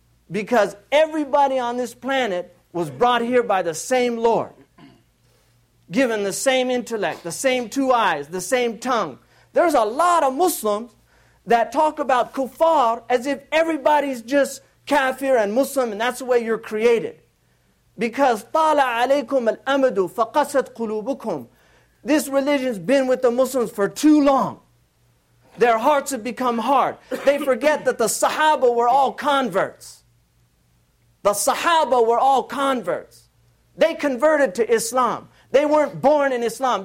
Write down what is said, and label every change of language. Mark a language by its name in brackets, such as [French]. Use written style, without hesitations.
[English] Because everybody on this planet was brought here by the same Lord. Given the same intellect, the same two eyes, the same tongue. There's a lot of Muslims that talk about kuffar as if everybody's just kafir and Muslim, and that's the way you're created. Because [Arabic] طَالَ عَلَيْكُمْ الْأَمَدُ فَقَسَتْ قُلُوبُكُمْ. [English] This religion's been with the Muslims for too long. Their hearts have become hard. They forget that the Sahaba were all converts. The Sahaba were all converts. They converted to Islam. They weren't born in Islam.